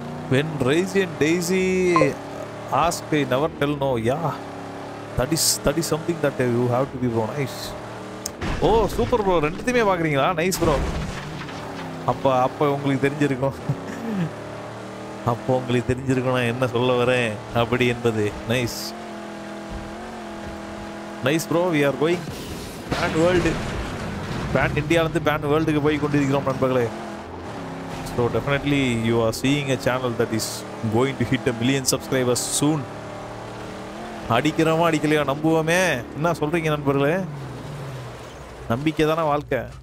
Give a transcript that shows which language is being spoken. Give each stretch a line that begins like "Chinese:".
English: When Raisi and Daisy ask, I never tell no. Yeah, that is something that you have to be, bro. Nice. Oh, super bro,
Tamil: ரெண்டுத்தையுமே பார்க்குறீங்களா?
English: Nice bro.
Tamil: அப்போ அப்போ உங்களுக்கு தெரிஞ்சிருக்கும், அப்போ உங்களுக்கு தெரிஞ்சிருக்கும் நான் என்ன சொல்ல வரேன் அப்படி என்பது.
English: nice nice bro, we are going pan world,
Tamil: pan இந்தியாவிலேருந்து பேன் வேர்ல்டுக்கு போய் கொண்டிருக்கிறோம் நண்பர்களே.
English: So definitely you are seeing a channel that is going to hit a million subscribers soon.
Tamil: அடிக்கிறோமா அடிக்கலையா நம்புவோமே, என்ன சொல்கிறீங்க நண்பர்களே? நம்பிக்கை தானே வாழ்க்கை.